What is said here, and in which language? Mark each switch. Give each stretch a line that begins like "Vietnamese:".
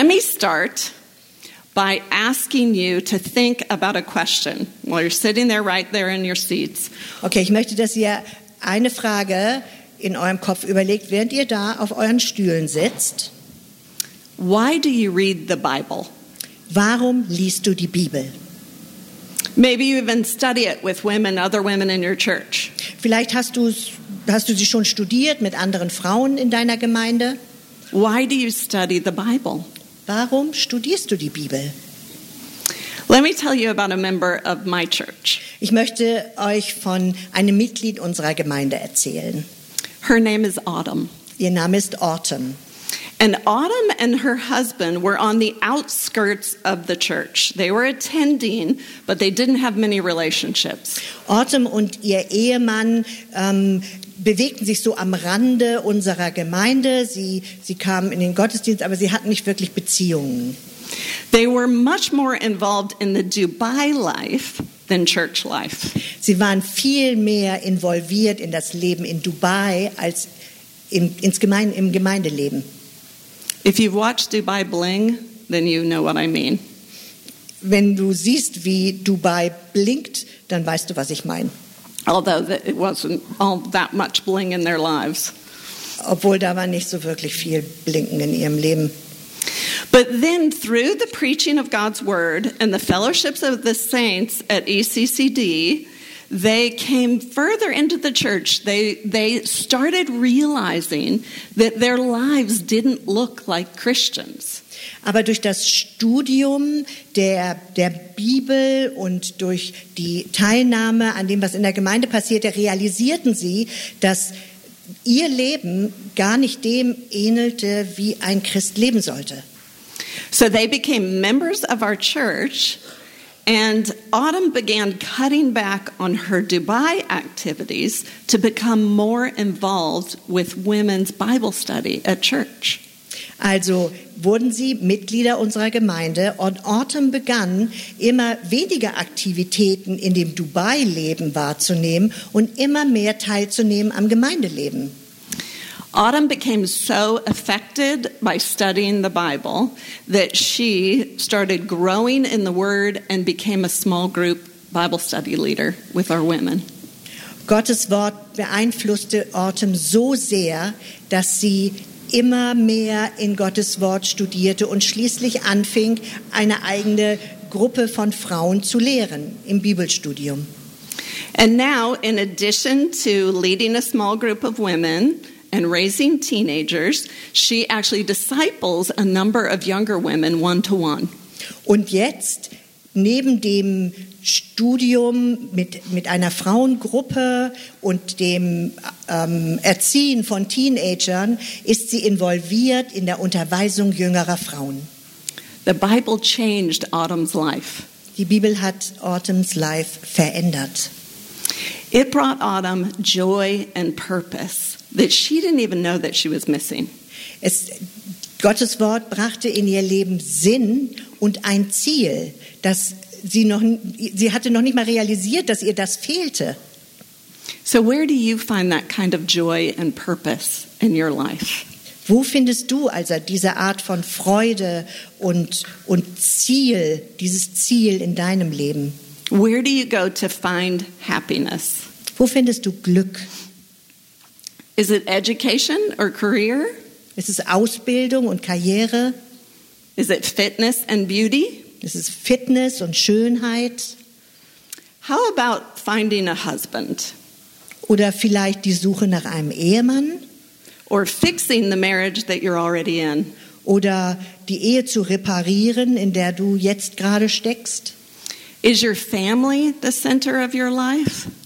English: me start by asking you to think about a question while you're sitting there right there in your seats.
German: Okay, ich möchte, dass ihr eine Frage in eurem Kopf überlegt, während ihr da auf euren Stühlen sitzt.
English: Why do you read the Bible?
German: Warum liest du die Bibel?
English: Maybe you even study it with women, other women in your church.
German: Vielleicht hast du sie schon studiert mit anderen Frauen in deiner Gemeinde.
English: Why do you study the Bible?
German: Warum studierst du die Bibel?
English: Let me tell you about a member of my church.
German: Ich möchte euch von einem Mitglied unserer Gemeinde erzählen.
English: Her name is Autumn.
German: Ihr Name ist Autumn.
English: And Autumn and her husband were on the outskirts of the church. They were attending, but they didn't have many relationships.
German: Autumn und ihr Ehemann bewegten sich so am Rande unserer Gemeinde. Sie kamen in den Gottesdienst, aber sie hatten nicht wirklich Beziehungen.
English: They were much more involved in the Dubai life than church life.
German: Sie waren viel mehr involviert in das Leben in Dubai als im Gemeindeleben.
English: If you've watched Dubai Bling, then you know what I mean.
German: Wenn du siehst, wie Dubai blinkt, dann weißt du, was ich meine.
English: Although it wasn't all that much bling in their lives.
German: Obwohl da war nicht so wirklich viel Blinken in ihrem Leben.
English: But then through the preaching of God's word and the fellowships of the saints at ECCD, they came further into the church. They started realizing that their lives didn't look like Christians.
German: Aber durch das Studium der Bibel und durch die Teilnahme an dem, was in der Gemeinde passierte, realisierten sie, dass ihr Leben gar nicht dem ähnelte, wie ein Christ leben sollte.
English: So they became members of our church. And Autumn began cutting back on her Dubai activities to become more involved with women's Bible study at church.
German: Also wurden sie Mitglieder unserer Gemeinde und Autumn begann immer weniger Aktivitäten in dem Dubai-Leben wahrzunehmen und immer mehr teilzunehmen am Gemeindeleben.
English: Autumn became so affected by studying the Bible that she started growing in the Word and became a small group Bible study leader with our women.
German: Gottes Wort beeinflusste Autumn so sehr, dass sie immer mehr in Gottes Wort studierte und schließlich anfing, eine eigene Gruppe von Frauen zu lehren im Bibelstudium.
English: And now, in addition to leading a small group of women and raising teenagers, she actually disciples a number of younger women one-to-one.
German: Und jetzt, neben dem Studium mit einer Frauengruppe und dem Erziehen von Teenagern, ist sie involviert in der Unterweisung jüngerer Frauen.
English: The Bible changed Autumn's life.
German: Die Bibel hat
English: Autumn's life
German: verändert.
English: It brought Autumn joy and purpose that she didn't even know that she was missing.
German: Gottes Wort brachte in ihr Leben Sinn und ein Ziel, das sie hatte noch nicht mal realisiert, dass ihr das fehlte.
English: So where do you find that kind of joy and purpose in your life?
German: Wo findest du also diese Art von Freude und Ziel, dieses Ziel in deinem Leben?
English: Where do you go to find happiness?
German: Wo findest du Glück?
English: Is it education or career?
German: Ist es Ausbildung und Karriere?
English: Is it fitness and beauty?
German: Ist es Fitness und Schönheit?
English: How about finding a husband?
German: Oder vielleicht die Suche nach einem Ehemann?
English: Or fixing the marriage that you're already in?
German: Oder die Ehe zu reparieren, in der du jetzt gerade steckst?
English: Is your family the center of your life?